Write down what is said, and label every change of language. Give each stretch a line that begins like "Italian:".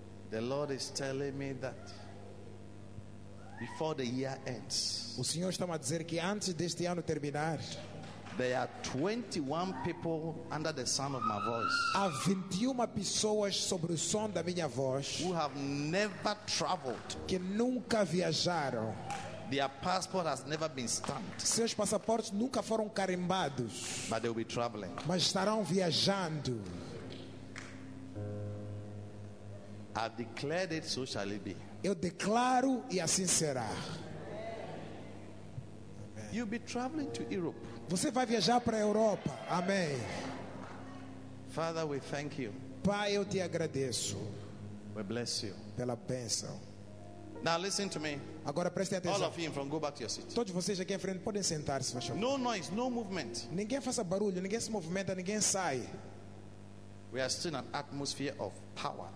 English: The Lord is telling me that before the year ends.
Portuguese: O Senhor está a dizer que antes deste ano terminar,
English: there are 21 people under the sound of my voice.
Portuguese: Há 21 pessoas sobre o som da minha voz.
English: Who have never traveled.
Portuguese: Que nunca viajaram.
English: Their passport has never been stamped.
Portuguese: Seus passaportes nunca foram carimbados.
English: But they will be traveling.
Portuguese: Mas estarão viajando.
English: I declared it, so shall it be.
Portuguese: Eu declaro e assim será.
English: You'll be traveling to Europe.
Portuguese: Você vai viajar para a Europa. Amém.
English: Father, we thank you.
Portuguese: Pai, eu te agradeço.
English: We bless you.
Portuguese: Pela bênção.
English: Now listen to me.
Portuguese: Agora preste atenção.
English: All of you in front, go back to your seat.
Portuguese: Todos vocês aqui em frente podem sentar-se, por favor.
English: No noise, no movement.
Portuguese: Ninguém faça barulho, ninguém se movimenta, ninguém sai.
English: We are still in an atmosphere of power.